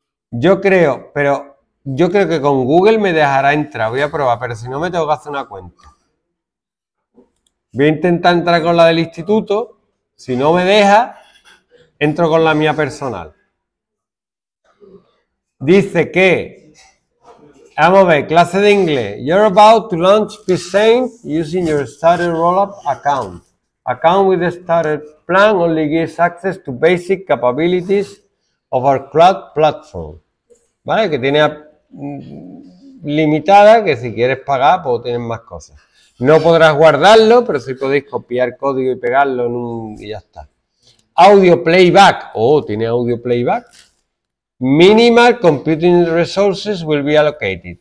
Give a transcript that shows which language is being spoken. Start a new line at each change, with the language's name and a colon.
Spanish: Yo creo que con Google me dejará entrar, voy a probar, pero si no me tengo que hacer una cuenta. Voy a intentar entrar con la del instituto, si no me deja, entro con la mía personal. Dice que, vamos a ver, clase de inglés.
English: You're about to launch PSEIN using your Starter Rollup account. Account with the Starter plan only gives access to basic capabilities of our cloud platform.
Spanish: ¿Vale? Que tiene limitada, que si quieres pagar, pues tienes más cosas. No podrás guardarlo, pero sí podéis copiar código y pegarlo en un. Y ya está.
English: Audio playback. Oh,
Spanish: tiene
English: audio playback. Minimal computing resources will be allocated.